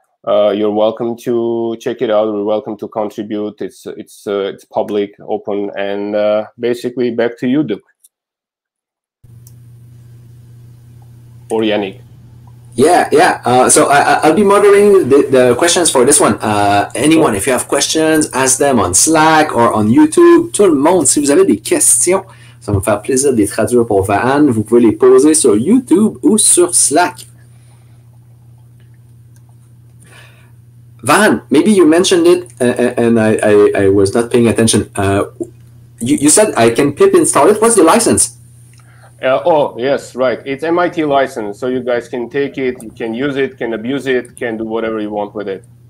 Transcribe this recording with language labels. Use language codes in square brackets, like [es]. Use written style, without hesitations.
[en] You're welcome to check it out. You're welcome to contribute. It's public, open, and basically back to you, Duke. Or Yannick. Yeah. So I'll be moderating the questions for this one. Anyone, if you have questions, ask them on Slack or on YouTube. [fr] Tout le monde, si vous avez des questions, ça va me faire plaisir de les traduire pour Vahan. Vous pouvez les poser sur YouTube ou sur Slack. [en] Vahan, maybe you mentioned it and I was not paying attention. You said I can pip install it. What's the license? Oh, yes, right. It's MIT license. So you guys can take it, you can use it, can abuse it, can do whatever you want with it.